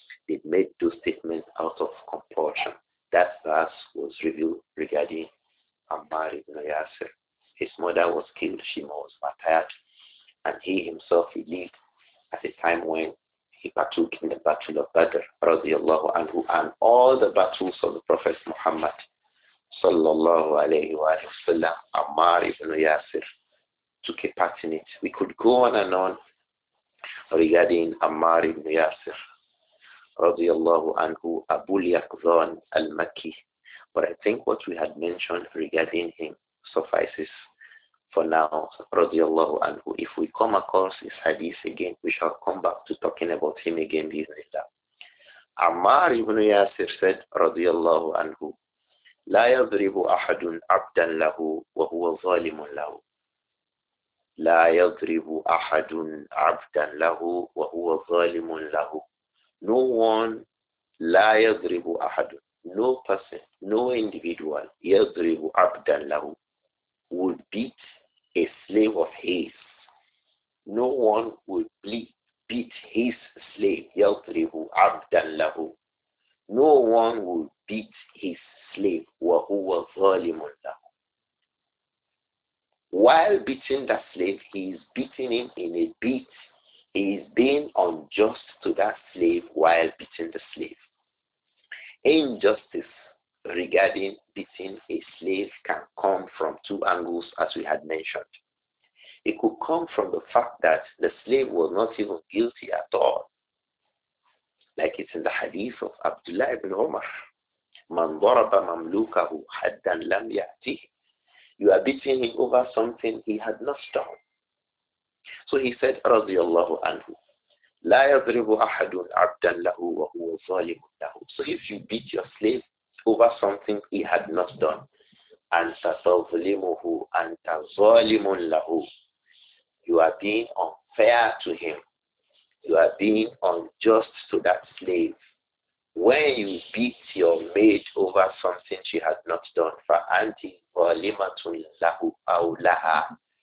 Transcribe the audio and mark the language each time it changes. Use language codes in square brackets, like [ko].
[en] They've made those statements out of compulsion. That verse was revealed regarding Ammar ibn Yasir. His mother was killed, she was martyred, and he himself lived at a time when he partook in the Battle of Badr, radiallahu anhu, and all the battles of the Prophet Muhammad, [ar] صلى الله عليه وآله وسلم عمار بن ياسر [en] took a part in it. We could go on and on regarding عمار بن ياسر [ar] رضي الله عنه أبو اليقظان المكي. [en] But I think what we had mentioned regarding him suffices for now, [ar] رضي الله عنه. [en] If we come across his hadith again, we shall come back to talking about him again [ar] بإذن الله. عمار بن ياسر [en] said, [ar] رضي الله عنه, لا يضرب أحد عبدا له وهو ظالم له. لا يضرب أحد عبدا له وهو ظالم له. [en] No one, [ar] لا يضرب أحد, [en] no person, no individual, [ar] يضرب عبدا له, [en] will beat a slave of his. No one will beat his slave, [ar] يضرب عبدا له. [en] No one will beat his slave, [ar] وهو ظالم له. [en] While beating the slave, he is beating him in a beat. He is being unjust to that slave while beating the slave. Injustice regarding beating a slave can come from two angles, as we had mentioned. It could come from the fact that the slave was not even guilty at all. Like it's in the hadith of Abdullah ibn Umar, [ar] مَنْ ضَرَبَ مَمْلُوكَهُ حَدًّا لَمْ يَعْتِهِ. [en] You are beating him over something he had not done. So he said, [ar] رضي الله عنه, لا يضرب أحد عبدا له وهو ظالم له. [en] So if you beat your slave over something he had not done, [ar] أنت تظلمه أنت ظالم له. [en] You are being unfair to him. You are being unjust to that slave. When you beat your maid over something she had not done, [ar] فأنت ظالمة له أو لها.